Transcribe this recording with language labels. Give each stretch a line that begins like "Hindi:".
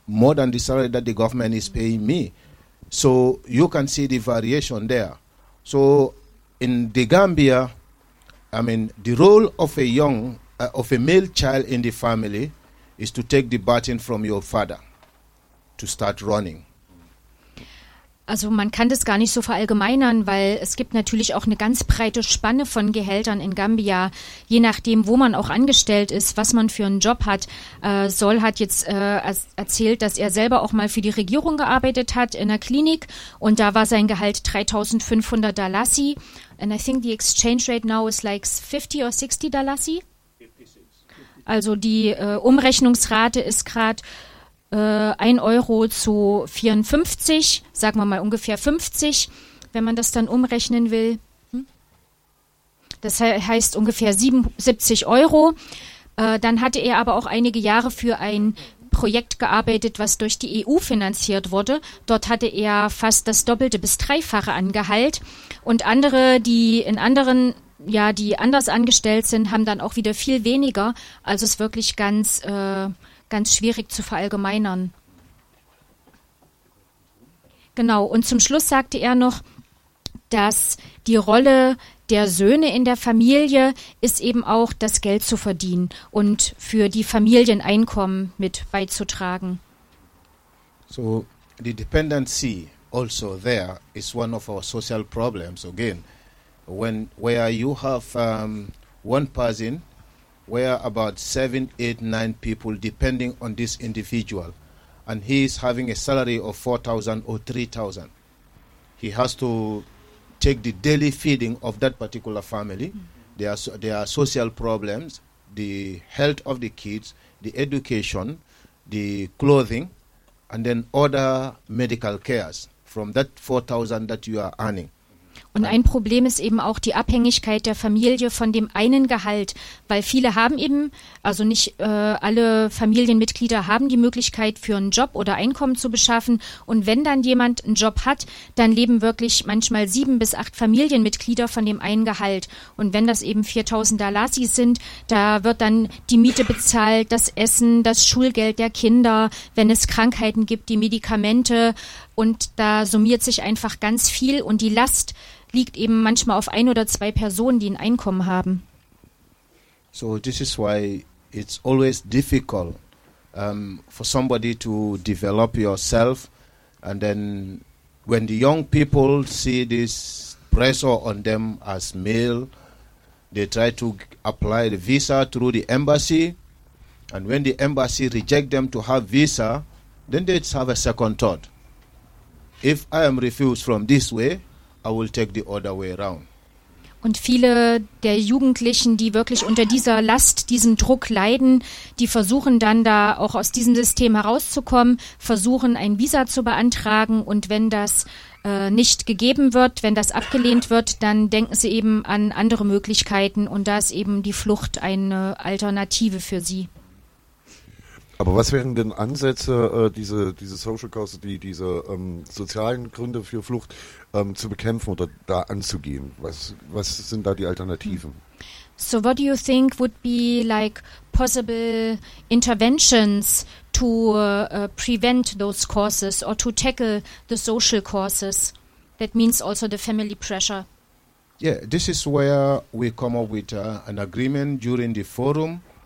English: More than the salary that the government is paying me. So you can see the variation there. So in the Gambia, I mean, the role of a male child in the family is to take the baton from your father to start running.
German: Also man kann das gar nicht so verallgemeinern, weil es gibt natürlich auch eine ganz breite Spanne von Gehältern in Gambia. Je nachdem, wo man auch angestellt ist, was man für einen Job hat. Sol hat jetzt erzählt, dass er selber auch mal für die Regierung gearbeitet hat in einer Klinik und da war sein Gehalt 3.500 Dalasi.
English: And I think the exchange rate now is like 50 or 60 Dalasi.
German: Also die Umrechnungsrate ist gerade 1 Euro zu 54, sagen wir mal ungefähr 50, wenn man das dann umrechnen will. Das heißt ungefähr 77 Euro. Dann hatte er aber auch einige Jahre für ein Projekt gearbeitet, was durch die EU finanziert wurde. Dort hatte er fast das Doppelte bis Dreifache an Gehalt. Und andere, die in anderen ja, die anders angestellt sind, haben dann auch wieder viel weniger. Also es ist wirklich ganz, ganz schwierig zu verallgemeinern. Genau, und zum Schluss sagte er noch, dass die Rolle der Söhne in der Familie ist eben auch, das Geld zu verdienen und für die Familieneinkommen mit beizutragen.
English: So, the dependency also there is one of our social problems again. Where you have one person, where about 7, 8, 9 people depending on this individual, and he is having a salary of 4,000 or 3,000. He has to take the daily feeding of that particular family. Mm-hmm. There are social problems, the health of the kids, the education, the clothing, and then other medical cares from that 4,000 that you are earning.
German: Und ein Problem ist eben auch die Abhängigkeit der Familie von dem einen Gehalt, weil viele haben eben, also nicht alle Familienmitglieder haben die Möglichkeit, für einen Job oder Einkommen zu beschaffen. Und wenn dann jemand einen Job hat, dann leben wirklich manchmal 7 bis 8 Familienmitglieder von dem einen Gehalt. Und wenn das eben 4.000 Dalasi sind, da wird dann die Miete bezahlt, das Essen, das Schulgeld der Kinder, wenn es Krankheiten gibt, die Medikamente. Und da summiert sich einfach ganz viel und die Last liegt eben manchmal auf 1 oder 2 Personen, die ein Einkommen haben.
English: So this is why it's always difficult for somebody to develop yourself, and then when the young people see this pressure on them as male, they try to apply the visa through the embassy, and when the embassy reject them to have visa, then they have a second thought. If I am refused from this way, I will take the other way around.
German: Und viele der Jugendlichen, die wirklich unter dieser Last, diesem Druck leiden, die versuchen dann da auch aus diesem System herauszukommen, versuchen ein Visa zu beantragen, und wenn das nicht gegeben wird, wenn das abgelehnt wird, dann denken sie eben an andere Möglichkeiten, und da ist eben die Flucht eine Alternative für sie. Aber was wären denn Ansätze, diese
English: Social Causes,
German: diese sozialen Gründe für Flucht zu bekämpfen oder da anzugehen? Was sind da die Alternativen?
English: So what do you think would be like possible interventions to prevent those causes or to tackle the social causes? That means also the family pressure. Yeah, this is where we come up with an agreement during the forum.